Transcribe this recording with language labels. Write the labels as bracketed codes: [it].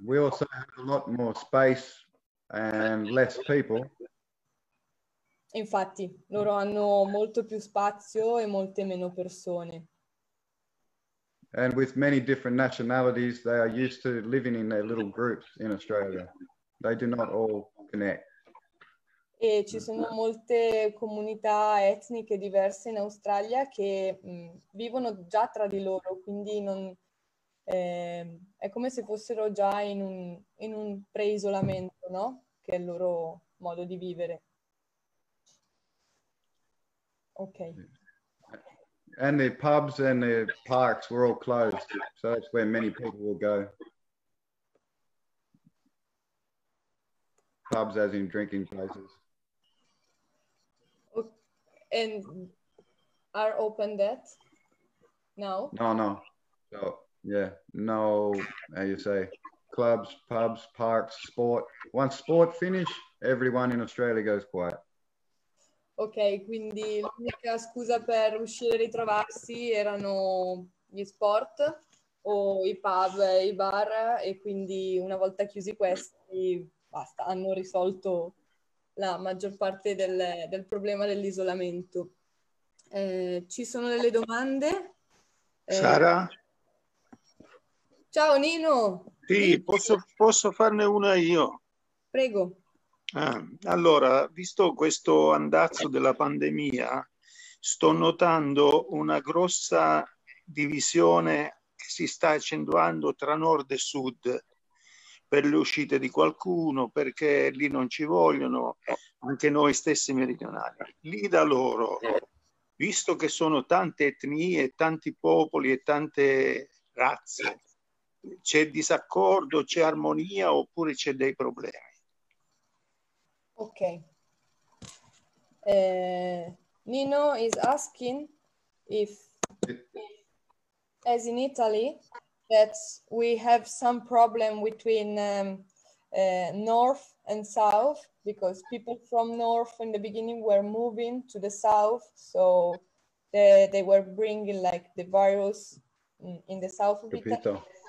[en] We also have a lot more space and less people. [it] Infatti, loro hanno molto più spazio e molte meno persone. [en] And with many different nationalities, they are used to living in their little groups in Australia. They do not all connect. [it] E ci sono molte comunità etniche diverse in Australia che vivono già tra di loro, quindi non, è come se fossero già in un pre-isolamento, no? Che è il loro modo di vivere. Ok. [en] And the pubs and the parks were all closed, so that's where many people will go. Pubs as in drinking places. And are open that now? No, how you say, clubs, pubs, parks, sport. Once sport finish, everyone in Australia goes quiet. [it] Ok, quindi l'unica scusa per uscire e ritrovarsi erano gli sport o i pub e i bar, e quindi una volta chiusi questi, basta, hanno risolto la maggior parte del problema dell'isolamento. Ci sono delle domande? Sara? Ciao Nino! Sì, posso farne una io? Prego. Allora, visto questo andazzo della pandemia, sto notando una grossa divisione che si sta accentuando tra nord e sud per le uscite di qualcuno, perché lì non ci vogliono, anche noi stessi meridionali. Lì da loro, visto che sono tante etnie, tanti popoli e tante razze, c'è disaccordo, c'è armonia oppure c'è dei problemi? Ok. [en] Nino is asking if, as in Italy, that we have some problem between north and south, because people from north in the beginning were moving to the south, so they were bringing like the virus in the south of Italy.